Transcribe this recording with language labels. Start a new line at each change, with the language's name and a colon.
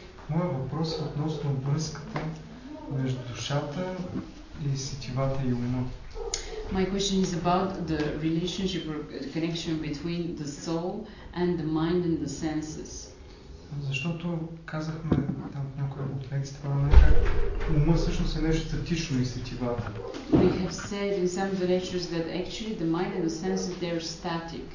Bulgarian: Моя въпрос е относно връзката между душата и сетивата и ума.
English: My question is about the relationship or the connection between the soul and the mind and the senses.
Bulgarian: Защото казахме там някоя от лекциите, как ума всъщност е нещо статично и сетивата.
English: We have said in some of the lectures that actually the mind and the senses, they are static.